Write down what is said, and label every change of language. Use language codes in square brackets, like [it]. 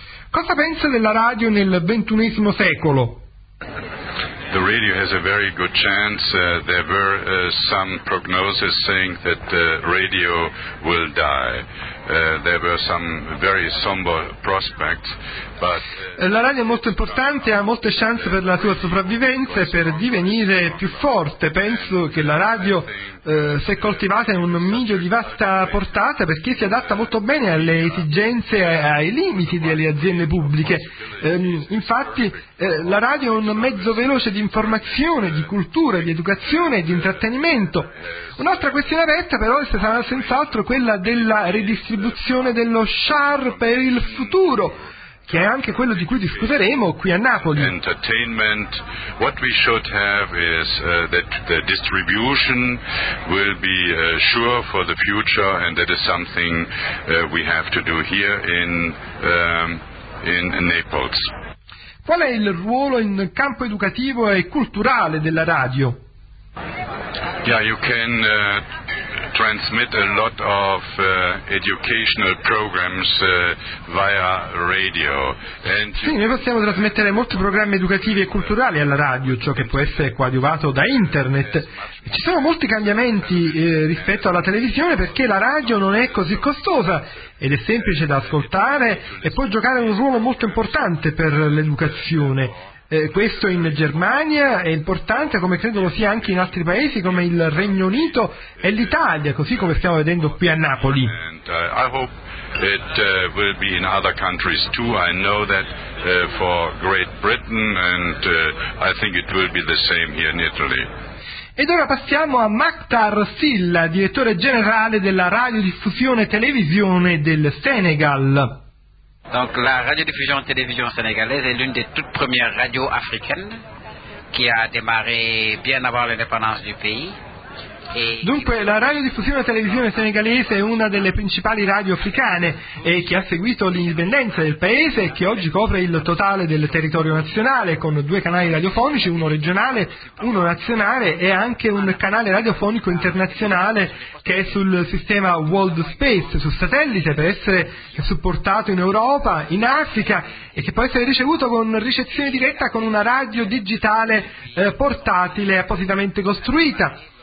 [it] Cosa pensa della radio nel XXI secolo? [en] The radio has a very good chance. There were some prognoses saying that the radio will die. There were some very somber prospects, but [it] la radio è molto importante, ha molte chance per la sua sopravvivenza e per divenire più forte. Penso che la radio, se coltivata in un miglio di vasta portata, perché si adatta molto bene alle esigenze e ai limiti delle aziende pubbliche. Infatti, la radio è un mezzo veloce di informazione, di cultura, di educazione e di intrattenimento. Un'altra questione aperta però sarà senz'altro quella della redistribuzione dello SHAR per il futuro, che è anche quello di cui discuteremo qui a Napoli. [en] Entertainment, what we should have is that the distribution will be sure for the future, and that is something we have to do here in Naples. [it] Qual è il ruolo in campo educativo e culturale della radio? [en] Yeah, you can transmit a lot of educational programs via radio. [it] And sì, noi possiamo trasmettere molti programmi educativi e culturali alla radio, ciò che può essere coadiuvato da internet. Ci sono molti cambiamenti rispetto alla televisione, perché la radio non è così costosa ed è semplice da ascoltare e può giocare un ruolo molto importante per l'educazione. Questo in Germania è importante, come credo lo sia anche in altri paesi come il Regno Unito e l'Italia, così come stiamo vedendo qui a Napoli. [en] It will be in other countries too. I know that for Great Britain, and I think it will be the same here in Italy. [it] Ed ora passiamo a Magda Arsilla, direttore generale della radiodiffusione televisione del Senegal. [fr] Donc la radiodiffusion télévision sénégalaise est l'une des toutes premières radios africaines qui a démarré bien avant l'indépendance du pays. [it] Dunque, la radiodiffusione televisione senegalese è una delle principali radio africane e che ha seguito l'indipendenza del paese e che oggi copre il totale del territorio nazionale con due canali radiofonici, uno regionale, uno nazionale e anche un canale radiofonico internazionale che è sul sistema World Space, su satellite, per essere supportato in Europa, in Africa e che può essere ricevuto con ricezione diretta con una radio digitale portatile appositamente costruita.